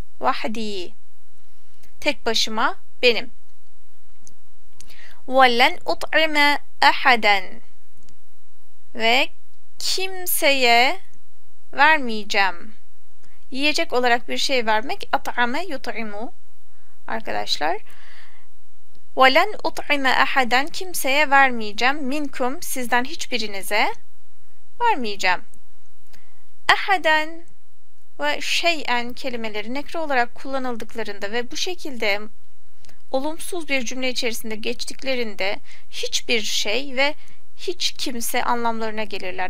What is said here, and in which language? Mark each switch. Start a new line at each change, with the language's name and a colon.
Turkish: Vahdi tek başıma benim.
Arabic: Ve len ut'ime ahaden
Turkish: ve kimseye vermeyeceğim. Yiyecek olarak bir şey vermek
Arabic: at'ame yut'imu
Turkish: arkadaşlar.
Arabic: وَلَنْ اُطْعِمَ اَحَدًا
Turkish: kimseye vermeyeceğim. مِنْكُمْ sizden hiçbirinize vermeyeceğim. اَحَدًا ve şeyen kelimeleri nekre olarak kullanıldıklarında ve bu şekilde olumsuz bir cümle içerisinde geçtiklerinde hiçbir şey ve hiç kimse anlamlarına gelirler.